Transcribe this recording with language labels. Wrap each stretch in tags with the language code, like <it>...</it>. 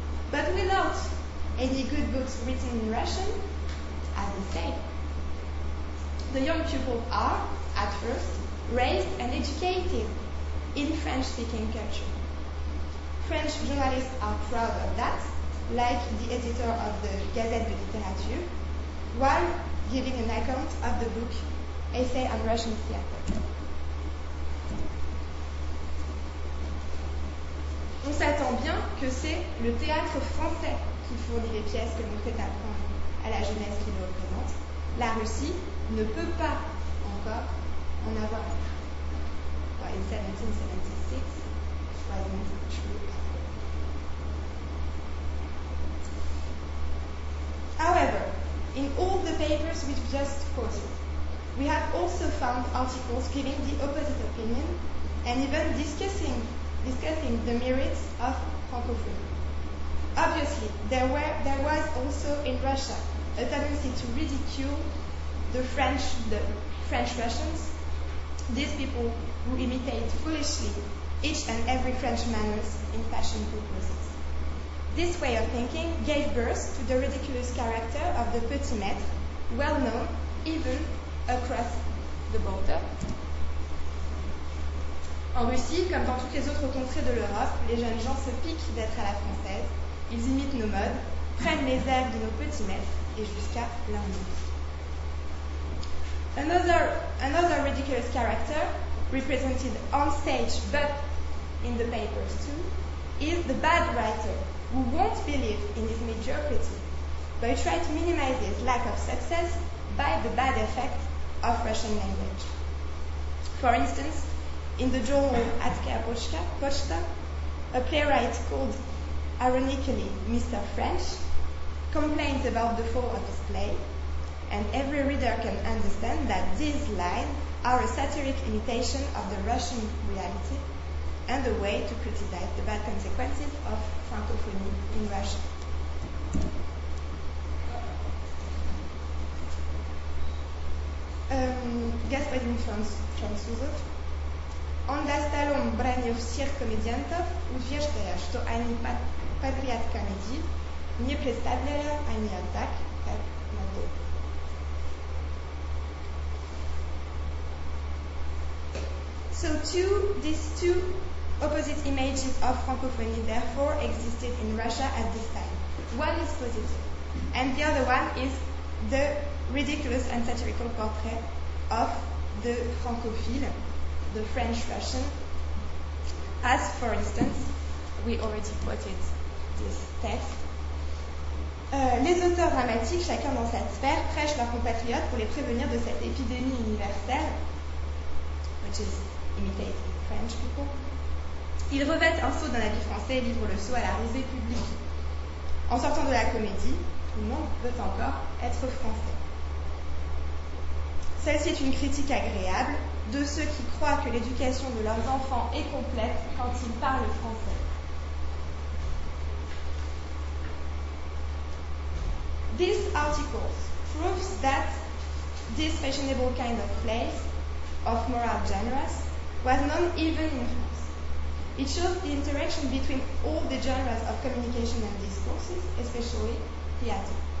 <en>But without any good books written in Russian, as they say, the young people are, at first, raised and educated in French-speaking culture. French journalists are proud of that, like the editor of the Gazette de Littérature, while giving an account of the book Essay on Russian Theatre.</en> <fr>On s'attend bien que c'est le théâtre français qui fournit les pièces que l'on fait apprendre à la jeunesse qui le représente. La Russie ne peut pas encore en avoir un.</fr> <en>In 1776, wasn't true. However, in all the papers we've just quoted, we have also found articles giving the opposite opinion and even discussing the merits of Francophonie. Obviously, there was also in Russia a tendency to ridicule the French Russians. These people who imitate foolishly each and every French manners in fashion purposes. This way of thinking gave birth to the ridiculous character of the petit maître, well known even across the border.</en> <fr>En Russie, comme dans toutes les autres contrées de l'Europe, les jeunes gens se piquent d'être à la française. Ils imitent nos modes, prennent les airs de nos petits maîtres et jusqu'à l'armée.</fr> <en>Another ridiculous character, represented on stage but in the papers too, is the bad writer who won't believe in his mediocrity, but try to minimize his lack of success by the bad effect of Russian language. For instance, in the journal Adkaya Pochta, a playwright called ironically Mr. French complains about the fall of his play, and every reader can understand that these lines are a satiric imitation of the Russian reality and a way to criticize the bad consequences of Francophony in Russia.</en> <ru>Господин Французов, он достал бранью всех комедиантов, утверждая, что они подряд комедии не представляли они так, как на то.</ru> <en>So these two opposite images of Francophony therefore existed in Russia at this time. One is positive, and the other one is the ridiculous and satirical portrait of the Francophile, the French-Russian, as, for instance, we already quoted this text.</en> <fr>Les auteurs dramatiques, chacun dans sa sphère, prêchent leurs compatriotes pour les prévenir de cette épidémie universelle,</fr> <en>which is imitating French people.</en> <fr>Ils revêtent un sceau d'un habit français et livrent le sceau à la risée publique. En sortant de la comédie, tout le monde veut encore être français. Celle-ci est une critique agréable de ceux qui croient que l'éducation de leurs enfants est complète quand ils parlent français.</fr> <en>This article proves that this fashionable kind of place of moral genres was known even in France. It shows the interaction between all the genres of communication and discourses, especially theater.</en>